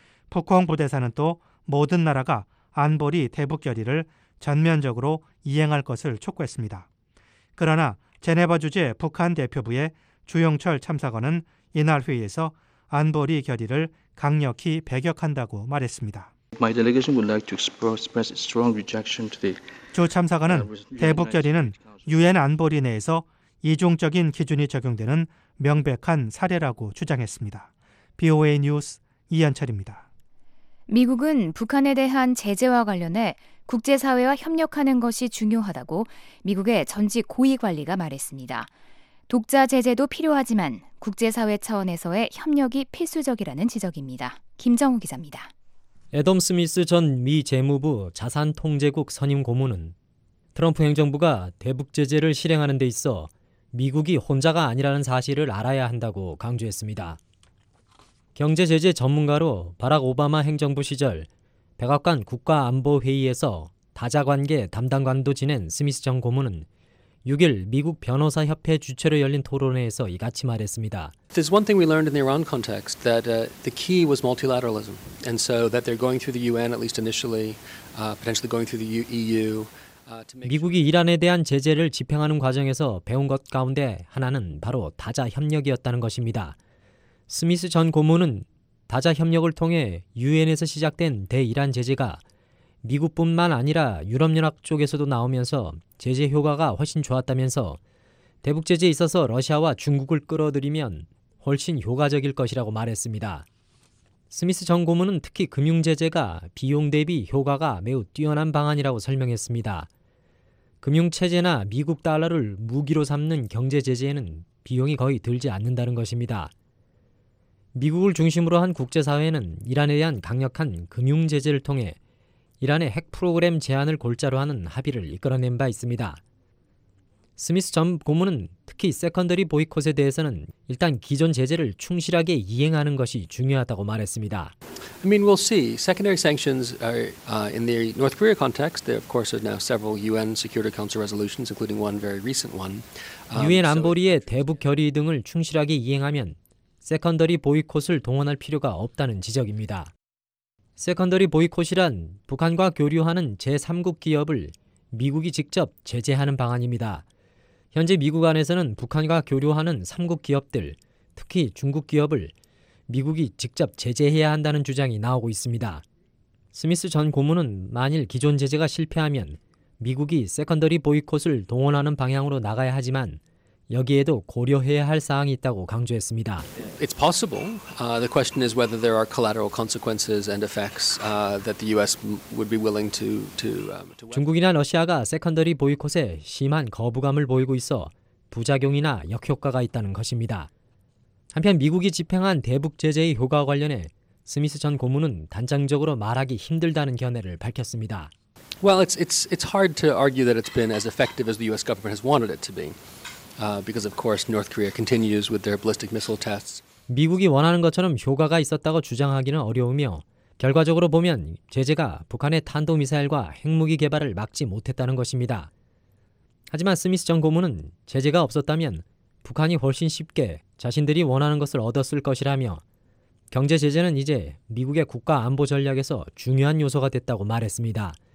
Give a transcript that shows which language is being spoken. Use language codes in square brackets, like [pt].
[ko] 푸콩 부대사는 또 모든 나라가 안보리 대북 결의를 전면적으로 이행할 것을 촉구했습니다. 그러나 제네바 주재 북한 대표부의 주영철 참사관은 이날 회의에서 안보리 결의를 강력히 배격한다고 말했습니다. [en] My delegation would like to express strong rejection to the [ko] 주 참사관은 대북 결의는 유엔 안보리 내에서 이중적인 기준이 적용되는 명백한 사례라고 주장했습니다. BOA 뉴스 이현철입니다. 미국은 북한에 대한 제재와 관련해 국제사회와 협력하는 것이 중요하다고 미국의 전직 고위 관리가 말했습니다. 독자 제재도 필요하지만 국제사회 차원에서의 협력이 필수적이라는 지적입니다. 김정우 기자입니다. 애덤 스미스 전 미 재무부 자산통제국 선임 고문은 트럼프 행정부가 대북 제재를 실행하는 데 있어 미국이 혼자가 아니라는 사실을 알아야 한다고 강조했습니다. 경제 제재 전문가로 바락 오바마 행정부 시절 백악관 국가안보회의에서 다자관계 담당관도 지낸 스미스 전 고문은 6일 미국 변호사협회 주최로 열린 토론회에서 이같이 말했습니다. [en] There's one thing we learned in the Iran context that the key was multilateralism. And so that they're going through the UN at least initially, potentially going through the EU. [ko] 미국이 이란에 대한 제재를 집행하는 과정에서 배운 것 가운데 하나는 바로 다자 협력이었다는 것입니다. 스미스 전 고문은 다자 협력을 통해 UN에서 시작된 대이란 제재가 미국뿐만 아니라 유럽연합 쪽에서도 나오면서 제재 효과가 훨씬 좋았다면서 대북 제재에 있어서 러시아와 중국을 끌어들이면 훨씬 효과적일 것이라고 말했습니다. 스미스 전 고문은 특히 금융 제재가 비용 대비 효과가 매우 뛰어난 방안이라고 설명했습니다. 금융 체제나 미국 달러를 무기로 삼는 경제 제재에는 비용이 거의 들지 않는다는 것입니다. 미국을 중심으로 한 국제사회는 이란에 대한 강력한 금융 제재를 통해 이란의 핵 프로그램 제한을 골자로 하는 합의를 이끌어낸 바 있습니다. 스미스 전 고문은 특히 세컨더리 보이콧에 대해서는 일단 기존 제재를 충실하게 이행하는 것이 중요하다고 말했습니다. [en] I mean, we'll see. Secondary sanctions are in the North Korea context. There, of course, are now several UN Security Council resolutions, including one very recent one. [ko] UN 안보리의 대북 결의 등을 충실하게 이행하면 세컨더리 보이콧을 동원할 필요가 없다는 지적입니다. 세컨더리 보이콧이란 북한과 교류하는 제3국 기업을 미국이 직접 제재하는 방안입니다. 현재 미국 안에서는 북한과 교류하는 3국 기업들, 특히 중국 기업을 미국이 직접 제재해야 한다는 주장이 나오고 있습니다. 스미스 전 고문은 만일 기존 제재가 실패하면 미국이 세컨더리 보이콧을 동원하는 방향으로 나가야 하지만 여기에도 고려해야 할 사항이 있다고 강조했습니다. [en] It's possible. The question is whether there are collateral consequences and effects that the US would be willing to [ko] 중국이나 러시아가 세컨더리 보이콧에 심한 거부감을 보이고 있어 부작용이나 역효과가 있다는 것입니다. 한편 미국이 집행한 대북 제재의 효과 관련해 스미스 전 고문은 단정적으로 말하기 힘들다는 견해를 밝혔습니다. [en] Well, it's hard to argue that it's been as effective as the US government has wanted it to be. Because of course North Korea continues with their ballistic missile tests. [ko] 미국이 원하는 것처럼 효과가 있었다고 주장하기는 어려우며 결과적으로 보면 제재가 북한의 탄도 미사일과 핵무기 개발을 막지 못했다는 것입니다. 하지만 스미스 전 고문은 제재가 없었다면 북한이 훨씬 쉽게 자신들이 원하는 것을 얻었을 것이라며 경제 제재는 이제 미국의 국가 안보 전략에서 중요한 요소가 됐다고 말했습니다.